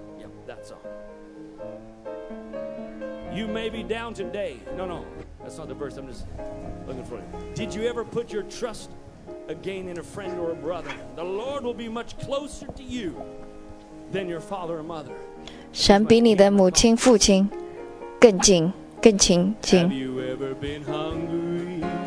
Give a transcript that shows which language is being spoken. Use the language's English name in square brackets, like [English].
[English] Yep, that's all. You may be down today. No, that's not the verse. I'm just looking for it. Did you ever put your trust again in a friend or a brother? The Lord will be much closer to you than your father or mother. [Chinese] 神比你的母亲父亲更近更亲近。 [English] Have you ever been hungry?